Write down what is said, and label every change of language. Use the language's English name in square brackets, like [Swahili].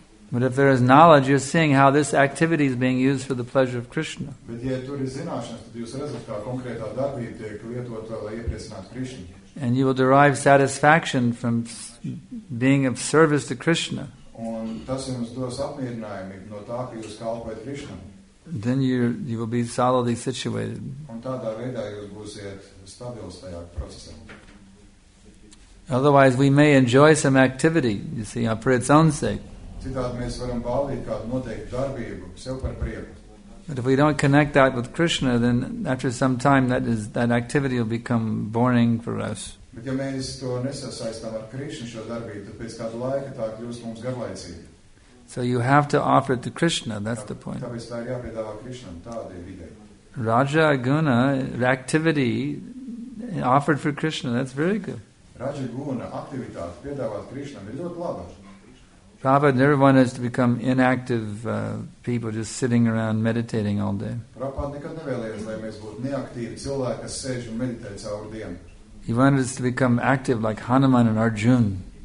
[English] But if there is knowledge, you're seeing how this activity is being used for the pleasure of Krishna. And you will derive satisfaction from being of service to Krishna. [Latvian] Un tas jums dos apmierinājumu no tā, ka jūs kalpojat Krishnam. [English] Then you will be solidly situated. [Latvian] Un tādā veidā jūs būsiet stabils tajā procesā. [English] Otherwise, we may enjoy some activity, you see, for its own sake. But if we don't connect that with Krishna, then after some time that activity will become boring for us. [Latvian] Bet ja mēs to nesasaistām ar Krishna šo darbību, tad pēc kādu laika tā kļūst mums garlaicīga. [English] So you have to offer it to Krishna, that's the point. [Latvian] Tāpēc tā ir jāpiedāvā Krishnam, tādai videi. [English] Raja guna, activity offered for Krishna, that's very good. [Latvian] Raja guna, aktivitāte piedāvāt Krishnam ir ļoti laba. [English] Prabhupada never wanted to become inactive people just sitting around meditating all day. [Latvian] Prabhupada nekad nevēlējās, lai mēs būtu neaktīvi cilvēki, kas sēž un meditē cauri dienu. [English] He wanted us to become active like Hanuman and Arjuna.